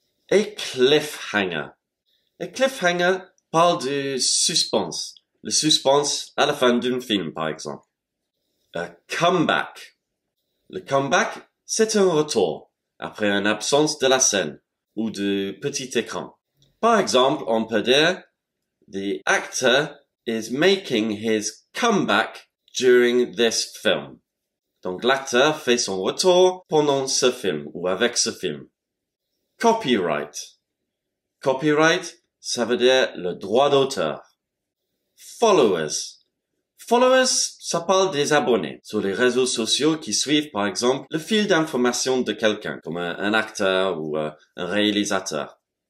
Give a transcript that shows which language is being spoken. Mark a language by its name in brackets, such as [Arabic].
[French] Et cliffhanger. Et cliffhanger parle du suspense. Le suspense à la fin d'un film, par exemple. A comeback. Le comeback, c'est un retour après une absence de la scène ou du petit écran. Par exemple, on peut dire [English] The actor is making his comeback during this film. [French] Donc l'acteur fait son retour pendant ce film ou avec ce film. Copyright. Copyright, ça veut dire le droit d'auteur. Followers. Followers, ça parle des abonnés sur les réseaux sociaux qui suivent, par exemple, le fil d'information de quelqu'un, comme un acteur ou un réalisateur.